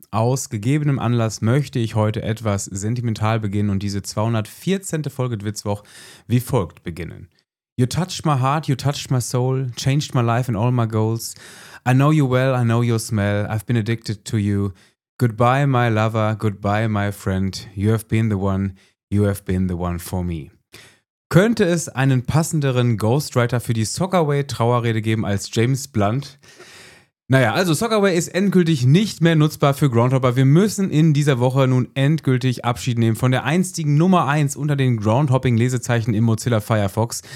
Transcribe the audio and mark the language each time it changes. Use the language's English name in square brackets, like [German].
[German] Aus gegebenem Anlass möchte ich heute etwas sentimental beginnen und diese 214. Folge Dwitzwoch wie folgt beginnen. [English] You touched my heart, you touched my soul, changed my life and all my goals. I know you well, I know your smell, I've been addicted to you. Goodbye my lover, goodbye my friend, you have been the one, you have been the one for me. [German] Könnte es einen passenderen Ghostwriter für die Soccerway-Trauerrede geben als James Blunt? Naja, also Soccerway ist endgültig nicht mehr nutzbar für Groundhopper. Wir müssen in dieser Woche nun endgültig Abschied nehmen von der einstigen Nummer 1 unter den Groundhopping-Lesezeichen im Mozilla Firefox.